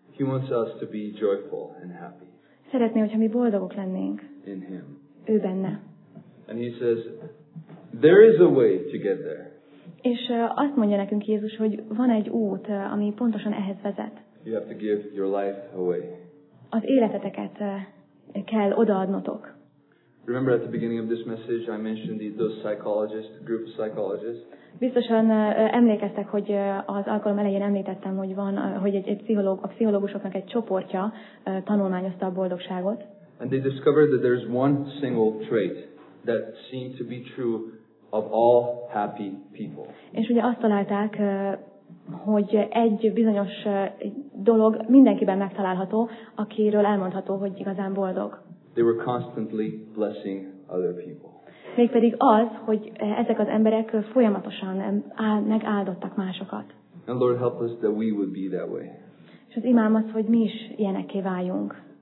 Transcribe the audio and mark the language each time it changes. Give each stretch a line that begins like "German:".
English: He wants us to be joyful and happy.
Hungarian: Szeretné, hogyha mi boldogok lennénk.
English: In him.
Hungarian: Ő benne.
English: And he says, there is a way to get there.
Hungarian: És azt mondja nekünk Jézus, hogy van egy út, ami pontosan ehhez vezet.
English: You have to give your life away.
Hungarian: Az életeteket kell odaadnotok.
English: Remember at the beginning of this message, I mentioned those psychologists, group of psychologists.
Hungarian: Biztosan emlékeztek, hogy az alkalom elején említettem, hogy van, hogy a pszichológusoknak egy csoportja tanulmányozta a boldogságot.
English: And they discovered that there's one single trait that seemed to be true of all happy people.
Hungarian: És ugye azt találták, hogy egy bizonyos dolog mindenkiben megtalálható, akiről elmondható, hogy igazán boldog.
English: They were constantly blessing other people.
Hungarian: Mégpedig az, hogy ezek az emberek folyamatosan megáldottak másokat.
English: And Lord, help us that we would be that way.
Hungarian: És az imám az, hogy mi is ilyenekké váljunk.